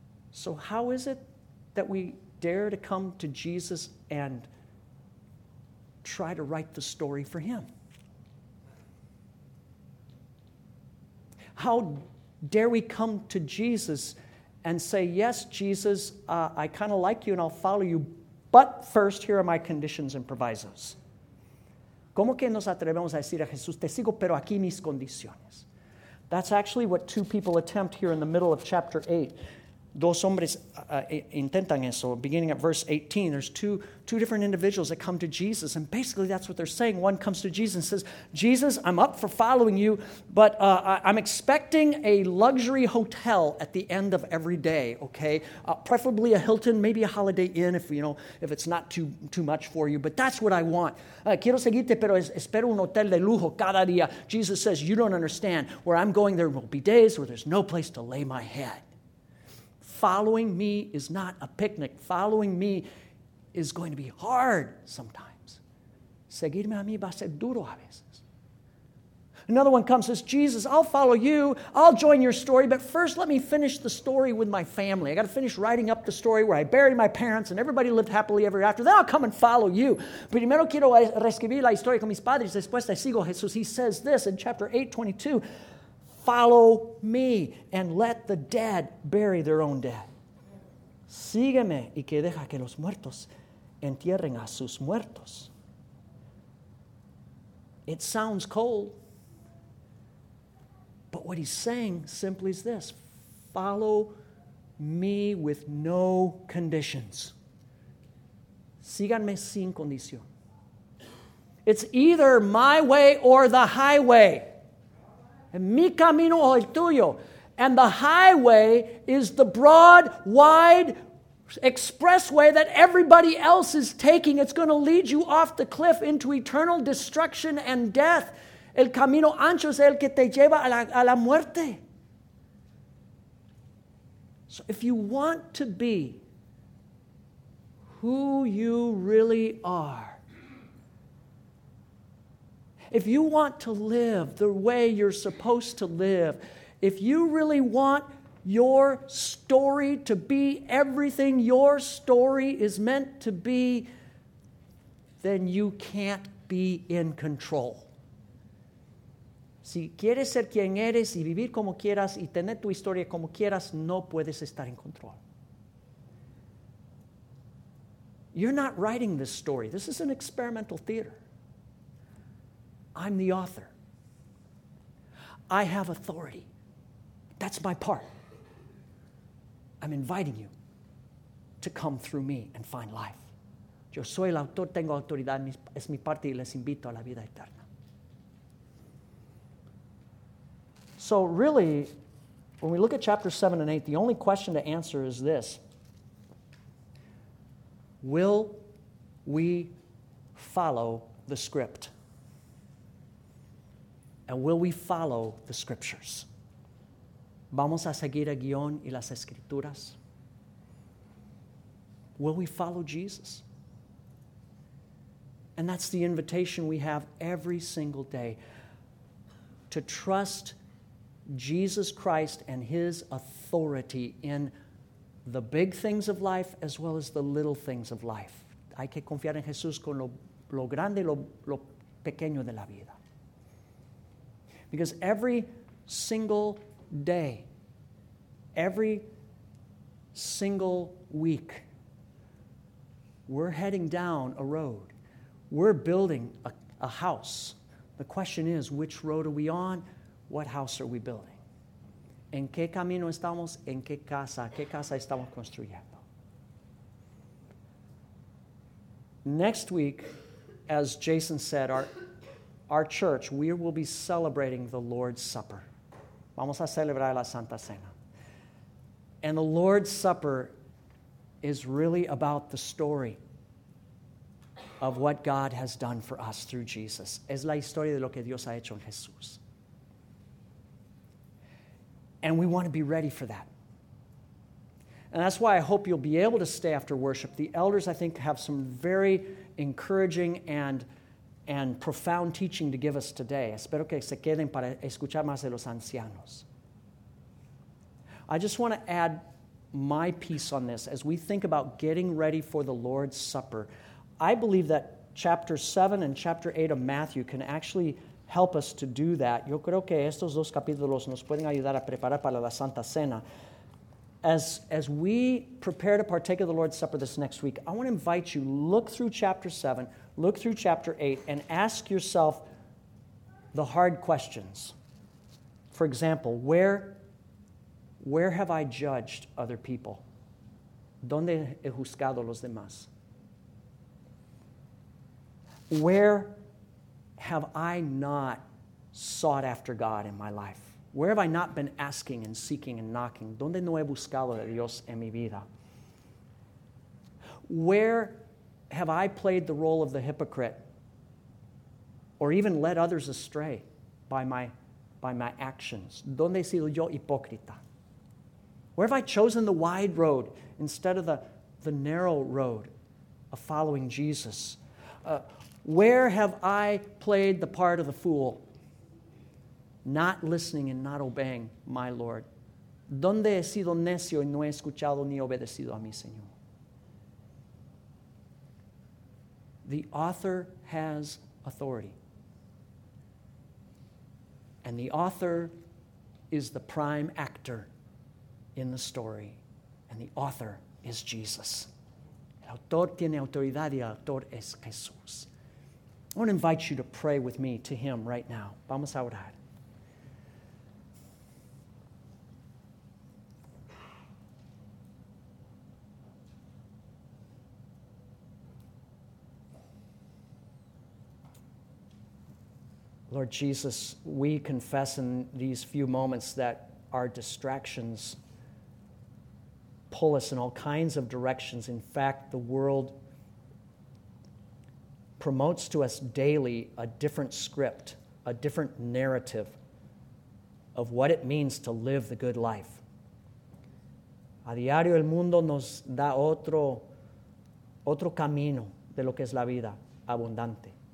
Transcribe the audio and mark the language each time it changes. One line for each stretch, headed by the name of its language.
English: So how is it that we dare to come to Jesus and try to write the story for him? How dare we come to Jesus and say, "Yes, Jesus, I kind of like you and I'll follow you, but first, here are my conditions and provisos."
Spanish: ¿Cómo que nos atrevemos a decir a Jesús, "Te sigo, pero aquí mis condiciones"?
English: That's actually what two people attempt here in the middle of chapter 8.
Spanish: Dos hombres intentan eso.
English: Beginning at verse 18, there's two different individuals that come to Jesus, and basically that's what they're saying. One comes to Jesus and says, "Jesus, I'm up for following you, but I'm expecting a luxury hotel at the end of every day, okay? Preferably a Hilton, maybe a Holiday Inn if it's not too much for you, but that's what I want.
Spanish: Quiero seguirte, pero espero un hotel de lujo cada día."
English: Jesus says, "You don't understand. Where I'm going, there will be days where there's no place to lay my head. Following me is not a picnic. Following me is going to be hard sometimes.
Spanish: Seguirme a mí va a ser duro a veces."
English: Another one comes and says, "Jesus, I'll follow you. I'll join your story, but first let me finish the story with my family. I got to finish writing up the story where I buried my parents and everybody lived happily ever after. Then I'll come and follow you.
Spanish: Primero quiero reescribir la historia con mis padres. Después te sigo, Jesús."
English: He says this in chapter 8, 22. "Follow me and let the dead bury their own dead.
Spanish: Sígueme y que deja que los muertos entierren a sus muertos."
English: It sounds cold, but what he's saying simply is this: follow me with no conditions.
Spanish: Síganme sin condición.
English: It's either my way or the highway.
Spanish: Mi camino o el tuyo.
English: And the highway is the broad, wide expressway that everybody else is taking. It's going to lead you off the cliff into eternal destruction and death.
Spanish: El camino ancho es el que te lleva a la muerte.
English: So if you want to be who you really are, if you want to live the way you're supposed to live, if you really want your story to be everything your story is meant to be, then you can't be in control.
Spanish: Si quieres ser quien eres y vivir como quieras y tener tu historia como quieras, no puedes estar en control.
English: You're not writing this story. This is an experimental theater. I'm the author. I have authority. That's my part. I'm inviting you to come through me and find life.
Spanish: Yo soy el autor, tengo autoridad, es mi parte y les invito a la vida eterna.
English: So really, when we look at chapter 7 and 8, the only question to answer is this: will we follow the script? And will we follow the scriptures?
Spanish: ¿Vamos a seguir el guión y las escrituras?
English: Will we follow Jesus? And that's the invitation we have every single day, to trust Jesus Christ and his authority in the big things of life as well as the little things of life.
Spanish: Hay que confiar en Jesús con lo grande y lo pequeño de la vida.
English: Because every single day, every single week, we're heading down a road. We're building a house. The question is, which road are we on? What house are we building?
Spanish: ¿En qué camino estamos? ¿En qué casa? ¿Qué casa estamos construyendo?
English: Next week, as Jason said, our church, we will be celebrating the Lord's Supper.
Spanish: Vamos a celebrar la Santa Cena.
English: And the Lord's Supper is really about the story of what God has done for us through Jesus.
Spanish: Es la historia de lo que Dios ha hecho en Jesús.
English: And we want to be ready for that. And that's why I hope you'll be able to stay after worship. The elders, I think, have some very encouraging and profound teaching to give us today.
Spanish: Espero que se queden para escuchar más de los ancianos.
English: I just want to add my piece on this. As we think about getting ready for the Lord's Supper, I believe that chapter 7 and chapter 8 of Matthew can actually help us to do that.
Spanish: Yo creo que estos dos capítulos nos pueden ayudar a preparar para la Santa Cena.
English: As we prepare to partake of the Lord's Supper this next week, I want to invite you, look through chapter 7, look through chapter 8, and ask yourself the hard questions. For example, where have I judged other people?
Spanish: ¿Dónde he juzgado los demás?
English: Where have I not sought after God in my life? Where have I not been asking and seeking and knocking?
Spanish: ¿Dónde no he buscado a Dios en mi vida?
English: Where have I played the role of the hypocrite or even led others astray by my actions?
Spanish: ¿Dónde he sido yo hipócrita?
English: Where have I chosen the wide road instead of the narrow road of following Jesus? Where have I played the part of the fool, not listening and not obeying my Lord?
Spanish: ¿Dónde he sido necio y no he escuchado ni obedecido a mi Señor?
English: The author has authority. And the author is the prime actor in the story. And the author is Jesus.
Spanish: El autor tiene autoridad y el autor es Jesús.
English: I want to invite you to pray with me to him right now.
Spanish: Vamos a orar.
English: Lord Jesus, we confess in these few moments that our distractions pull us in all kinds of directions. In fact, the world promotes to us daily a different script, a different narrative of what it means to live the good life.
Spanish: A diario el mundo nos da otro camino de lo que es la vida abundante.